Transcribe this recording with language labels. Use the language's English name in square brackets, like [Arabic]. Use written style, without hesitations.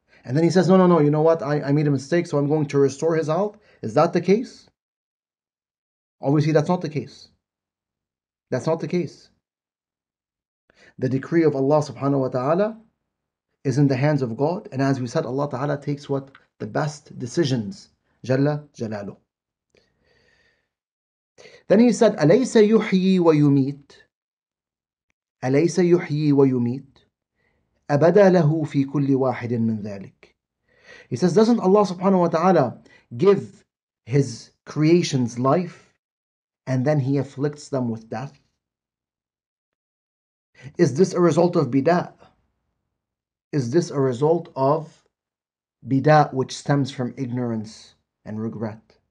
[English] And then he says, no, you know what, I made a mistake, so I'm going to restore his health. Is that the case? Obviously, that's not the case. That's not the case. The decree of Allah subhanahu wa ta'ala is in the hands of God. And as we said, Allah ta'ala takes what? The best decisions. Jalla jalalu. Then he said, [Arabic] أَلَيْسَ يُحْيِي وَيُمِيتُ أَلَيْسَ يُحْيِي وَيُمِيتُ أَبَدَى لَهُ فِي كُلِّ وَاحِدٍ مِّنْ ذَلِكَ. [English] He says, doesn't Allah subhanahu wa ta'ala give his creations life? And then he afflicts them with death. Is this a result of bid'ah? Is this a result of bid'ah which stems from ignorance and regret?